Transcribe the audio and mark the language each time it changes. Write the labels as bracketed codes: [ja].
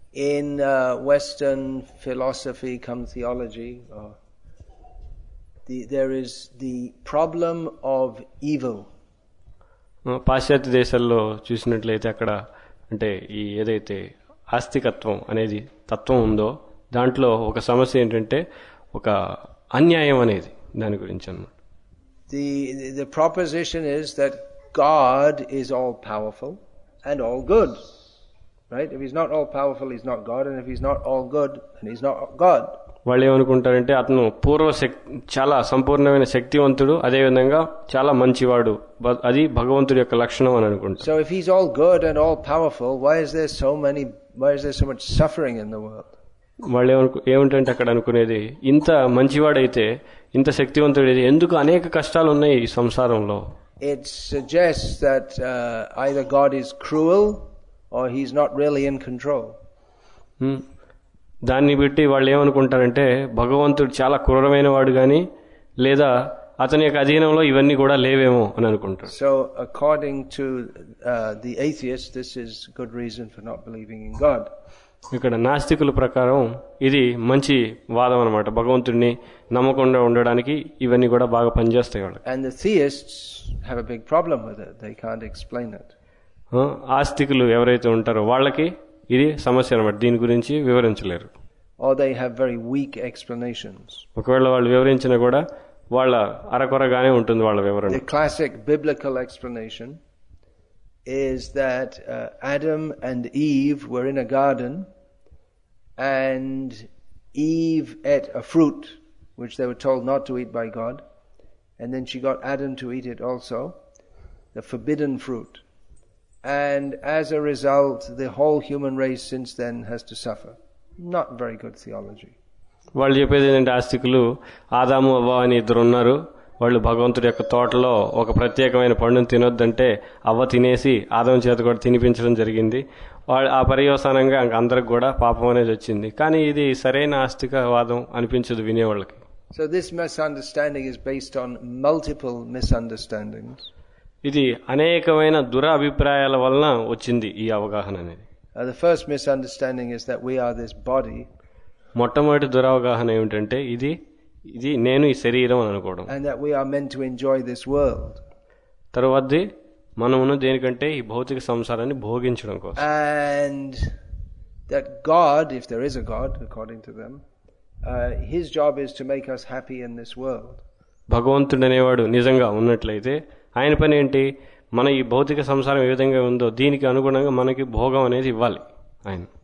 [en] In western philosophy cum theology there is the problem of evil. [te] పాశ్చాత్య దేశాల్లో చూసినట్లయితే అక్కడ అంటే ఈ ఏదైతే ఆస్తికత్వం అనేది తత్వం ఉందో దాంట్లో ఒక సమస్య ఏంటంటే ఒక అన్యాయం అనేది దాని గురించి అన్నమాట. [en] The proposition is that God is all powerful and all good. Right? If he's not all powerful, he's not God, and if he's not all good, then he's not God. [te] వాళ్ళు ఏమనుకుంటారంటే అతను పూర్వశక్తి చాలా సంపూర్ణమైన శక్తివంతుడు, అదేవిధంగా చాలా మంచివాడు, అది భగవంతుడి యొక్క లక్షణం అని అనుకుంటారు. [en] So if he's all good and all powerful, why is there so much suffering in the world? [te] వాళ్ళు ఏమంటారంటే అక్కడ అనుకునేది, ఇంత మంచివాడైతే ఇంత శక్తివంతుడు అయితే ఎందుకు అనేక కష్టాలు ఉన్నాయి ఈ సంసారంలో? [en] It suggests that either God is cruel or he's not really in control. [te] దాన్ని బట్టి వాళ్ళు ఏమనుకుంటారంటే భగవంతుడు చాలా క్రూరమైన వాడు గాని లేదా అతని యొక్క అధీనంలో ఇవన్నీ కూడా లేవేమో అని అనుకుంటారు. [en] So according to the atheist this is good reason for not believing in God. [te] ఇక్కడ నాస్తికుల ప్రకారం ఇది మంచి వాదం అన్నమాట, భగవంతుడిని నమ్మకుండా ఉండడానికి ఇవన్నీ కూడా బాగా పనిచేస్తాయి వాళ్ళకి. [en] And the theists have a big problem with it, they can't explain it. [te] ఆస్తికులు ఎవరైతే ఉంటారో వాళ్ళకి ఇది సమస్య అన్నమాట, దీని గురించి వివరించలేరు. [en] Or they have very weak explanations. [te] ఒకవేళ వాళ్ళు వివరించినా కూడా వాళ్ళ అరకొరగానే ఉంటుంది వాళ్ళ వివరణ. [en] The classic biblical explanation is that Adam and Eve were in a garden and Eve ate a fruit which they were told not to eat by God, and then she got Adam to eat it also, the forbidden fruit. And as a result, the whole human race since then has to suffer. Not very good theology. [te] వాళ్ళు చెప్పేది ఏంటంటే ఆస్తికులు ఆదాము అవ్వ అని ఇద్దరు ఉన్నారు, వాళ్ళు భగవంతుడి యొక్క తోటలో ఒక ప్రత్యేకమైన పండును తినొద్దంటే అవ్వ తినేసి ఆదాము చేత కూడా తినిపించడం జరిగింది. వాళ్ళు ఆ పర్యవసానంగా ఇంక అందరికి కూడా పాపం అనేది వచ్చింది. కానీ ఇది సరైన ఆస్తిక వాదం అనిపించదు వినేవాళ్ళకి. [en] So this misunderstanding is based on multiple misunderstandings. [te] ఇది అనేకమైన దురాభిప్రాయాల వలన వచ్చింది ఈ అవగాహన అనేది. [en] The first misunderstanding is that we are this body. [te] మొట్టమొదటి దురవగాహన ఏమిటంటే ఇది నేను ఈ శరీరం అని అనుకోవడం. [en] And that we are meant to enjoy this world. [te] తరువాతి మనమును దేనికంటే ఈ భౌతిక సంసారాన్ని భోగించడం కోసం. [en] And that God, if there is a God according to them, his job is to make us happy in this world. [te] భగవంతుడు అనేవాడు నిజంగా ఉన్నట్లయితే ఆయన పని ఏంటి, మన ఈ భౌతిక సంసారం ఏ విధంగా ఉందో దీనికి అనుగుణంగా మనకి భోగం అనేది ఇవ్వాలి ఆయన.